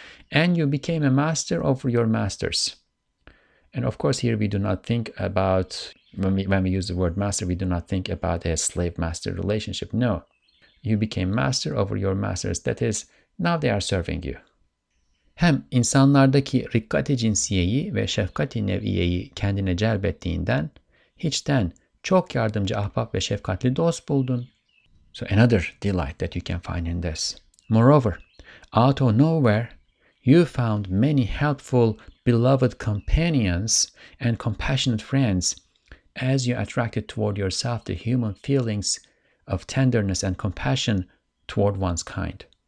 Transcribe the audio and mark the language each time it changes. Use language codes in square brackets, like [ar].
[en] And you became a master over your masters. And of course, here we do not think about, when we use the word master, we do not think about a slave-master relationship. No. You became master over your masters. That is, now they are serving you. [tr] Hem insanlardaki rikkati cinsiyeyi ve şefkati nev'iyeyi kendine celbettiğinden, hiçten çok yardımcı ahbap ve şefkatli dost buldun. [en] So another delight that you can find in this. Moreover, out of nowhere, you found many helpful, beloved companions and compassionate friends as you attracted toward yourself the human feelings of tenderness and compassion toward one's kind.